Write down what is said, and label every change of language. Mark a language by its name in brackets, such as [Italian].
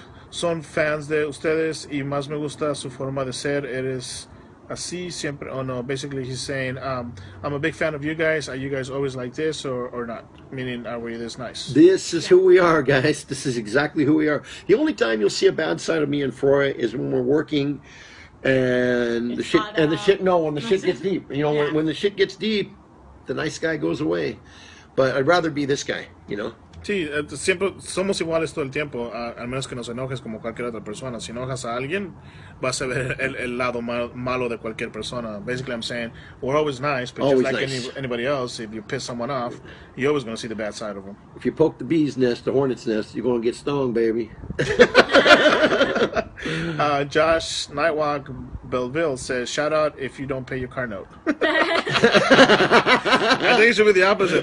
[Spanish] Son fans de ustedes y más me gusta su forma de ser. Eres así siempre. [English] Oh no, basically he's saying, I'm a big fan of you guys. Are you guys always like this or not? Meaning, are we this nice? This is who we are, guys. This is exactly who we are. The only time you'll see a bad side of me and Froy is when we're working and when the shit gets deep. You know, when the shit gets deep, the nice guy goes away. But I'd rather be this guy, you know? [Spanish] Sí, siempre somos iguales todo el tiempo, al menos que nos enojes como cualquier otra persona. Si enojas a alguien, vas a ver el lado malo de cualquier persona. [English] Basically, I'm saying, we're always nice, but always just like nice. Anybody else, if you piss someone off, you're always going to see the bad side of them. If you poke the bee's nest, the hornet's nest, you're going to get stung, baby. Josh Nightwalk Belleville says, shout out if you don't pay your car note. I think it should be the opposite.